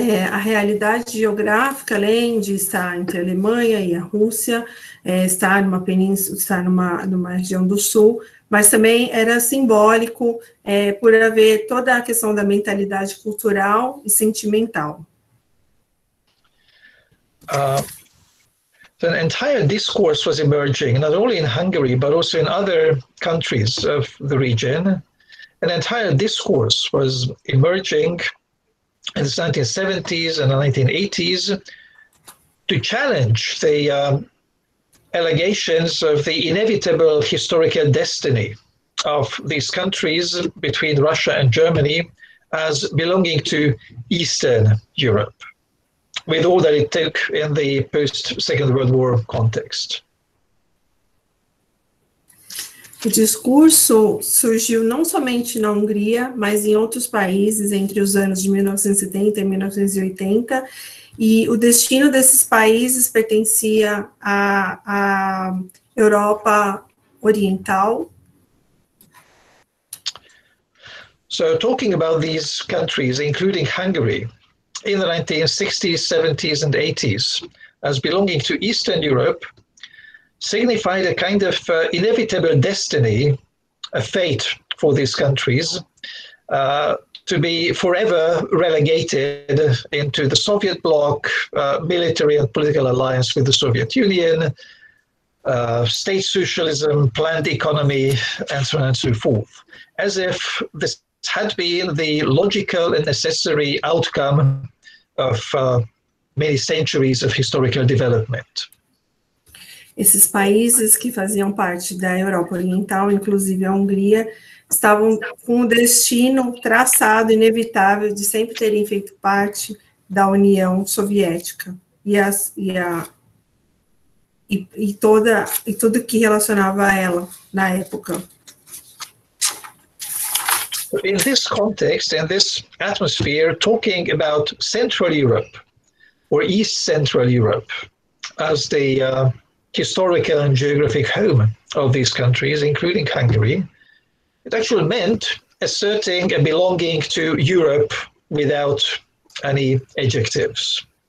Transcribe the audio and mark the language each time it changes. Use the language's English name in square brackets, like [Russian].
[Portuguese] A realidade geográfica, além de estar entre a Alemanha e a Rússia, estar numa península, estar numa região do sul, mas também era simbólico por haver toda a questão da mentalidade cultural e sentimental. [English] An entire discourse was emerging, not only in Hungary, but also in other countries of the region. An entire discourse was emerging in the 1970s and the 1980s to challenge the allegations of the inevitable historical destiny of these countries between Russia and Germany as belonging to Eastern Europe, with all that it took in the post-Second World War context. [Portuguese] O discurso surgiu não somente na Hungria, mas em outros países entre os anos de 1970 e 1980, e o destino desses países pertencia à Europa Oriental. [English] So, talking about these countries, including Hungary, in the 1960s, 70s and 80s, as belonging to Eastern Europe, signified a kind of inevitable destiny, a fate for these countries, to be forever relegated into the Soviet bloc, military and political alliance with the Soviet Union, state socialism, planned economy, and so on and so forth, as if the had been the logical and necessary outcome of many centuries of historical development. [Portuguese] Esses países que faziam parte da Europa Oriental, inclusive a Hungria, estavam com o destino traçado, inevitável, de sempre terem feito parte da União Soviética e tudo que relacionava a ela na época. [English] In this context, in this atmosphere, talking about Central Europe or East Central Europe as the historical and geographic home of these countries, including Hungary, it actually meant asserting a belonging to Europe without any adjectives.